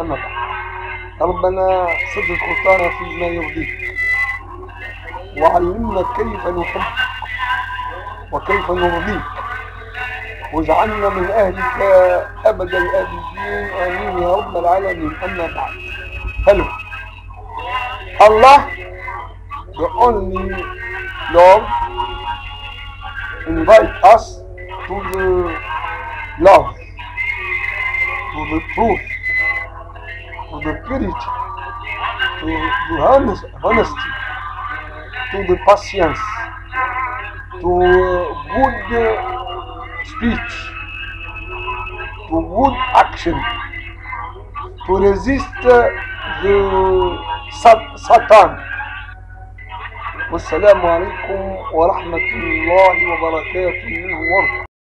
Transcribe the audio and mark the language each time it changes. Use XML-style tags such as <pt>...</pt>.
<ar>أما بعد، ربنا سد خطانا فيما يرضيك، وعلمنا كيف نحبك وكيف نرضيك، واجعلنا من أهلك أبد الأبدين، آمين يا رب العالمين. أما بعد، هلو</ar> <en>الله the only Lord invite us to the love, to the truth, to the purity, to the honesty, to the patience, to good speech, to good action, to resist the Satan.</en> <ar>والسلام عليكم ورحمة الله وبركاته.</ar>